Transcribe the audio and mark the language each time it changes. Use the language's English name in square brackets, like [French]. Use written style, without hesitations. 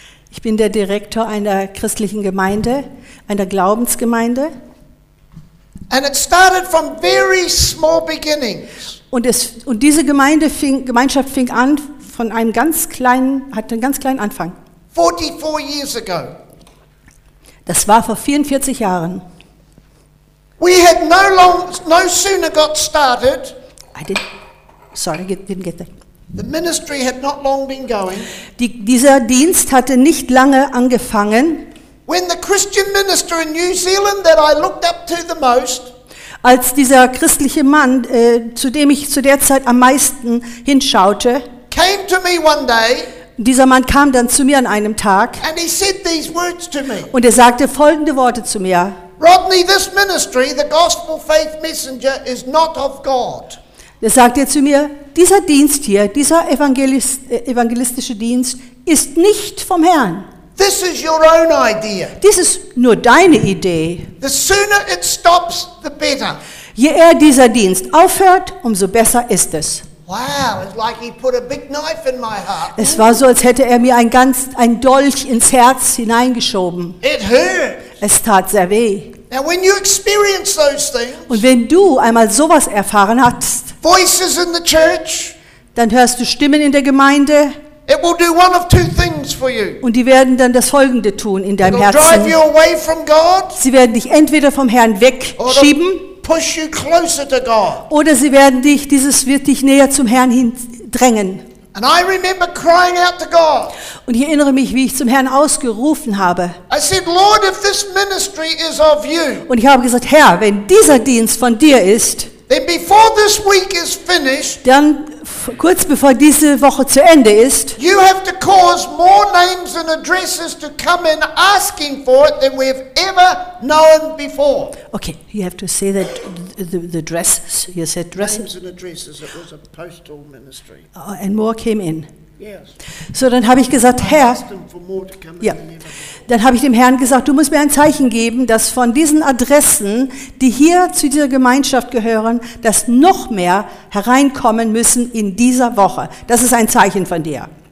[German] Ich bin der Direktor einer christlichen Gemeinde, einer Glaubensgemeinde. [English] And it started from very small beginnings. [German] Und diese Gemeinschaft fing an von einem ganz kleinen, hatte einen ganz kleinen Anfang. [English] 44 years ago. [German] Das war vor 44 Jahren. [English] We had no sooner got started. Didn't get that. The ministry had not long been going. [German] Dieser Dienst hatte nicht lange angefangen. [English] When the Christian minister in New Zealand that I looked up to the most, [German] als dieser christliche Mann, zu dem ich zu der Zeit am meisten hinschaute, [English] came to me one day, [German] dieser Mann kam dann zu mir an einem Tag [English] and he said these words to me. [German] Und er sagte folgende Worte zu mir: [English] Rodney, this ministry, the gospel faith messenger, is not of God. [German] Er sagte zu mir: Dieser Dienst hier, dieser evangelistische Dienst, ist nicht vom Herrn. [English] This is your own idea. [German] Dies ist nur deine Idee. [English] The sooner it stops, the better. [German] Je eher dieser Dienst aufhört, umso besser ist es. [English] Wow, it's like he put a big knife in my heart. [German] Es war so, als hätte er mir ein Dolch ins Herz hineingeschoben. [English] It hurt. [German] Es tat sehr weh. [English] Now when you experience those things, [German] und wenn du einmal sowas erfahren hast, [English] voices in the church, [German] dann hörst du Stimmen in der Gemeinde. [English] It will do one of two things for you. [German] Und die werden dann das Folgende tun in deinem Herzen. [English] It'll drive you away from God, [German] sie werden dich entweder vom Herrn wegschieben, [English] push you closer to God. [German] Oder sie werden dich, dieses wird dich näher zum Herrn hin drängen. [English] And I remember crying out to God. [German] Und ich erinnere mich, wie ich zum Herrn ausgerufen habe. [English] I said, Lord, if this ministry is of you, [German] und ich habe gesagt, Herr, wenn dieser Dienst von dir ist, [English] then before this week is finished, [German] dann kurz bevor diese Woche zu Ende ist, [English] you have to cause more names and addresses to come in asking for it than we've ever known before. Okay, you have to say that the addresses, you said addresses. Names and addresses, it was a postal ministry. Oh, and more came in. Yes. [German] So dann habe ich gesagt, Herr, ja. Dann habe ich dem Herrn gesagt, du musst mir ein Zeichen geben, dass von diesen Adressen, die hier zu dieser Gemeinschaft gehören, dass noch mehr hereinkommen müssen in dieser Woche. Das ist ein Zeichen von dir.